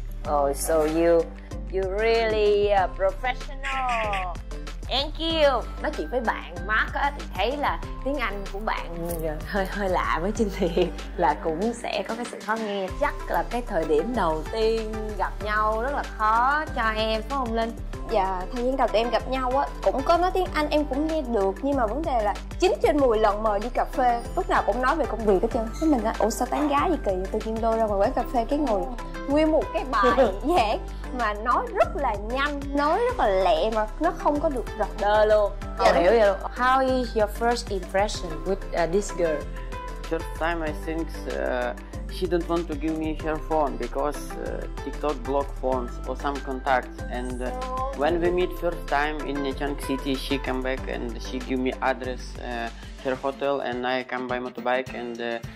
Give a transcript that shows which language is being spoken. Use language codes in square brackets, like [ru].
[en] Oh, so you really professional. Thank you. [vi] Nói chuyện với bạn Mark á, thì thấy là tiếng Anh của bạn hơi lạ với Trinh thì là cũng sẽ có cái sự khó nghe. Chắc là cái thời điểm đầu tiên gặp nhau rất là khó cho em, phải không Linh? Dạ, thời gian đầu tụi em gặp nhau á, cũng có nói tiếng Anh em cũng nghe được. Nhưng mà vấn đề là 9 trên 10 lần mời đi cà phê lúc nào cũng nói về công việc hết trơn. Thế mình á, ủa sao tán gái gì kỳ, tự nhiên lôi ra ngoài quán cà phê cái ngồi nguyên một cái bài giảng mà nói rất là nhanh, nói rất là lẹ mà nó không có được rập đơ luôn. Không hiểu vậy luôn. [en] How is your first impression with this girl? First time I think she didn't want to give me her phone because TikTok blocked phones or some contacts. And when we meet first time in Nechang City, she come back and she give me address, her hotel, and I come by motorbike and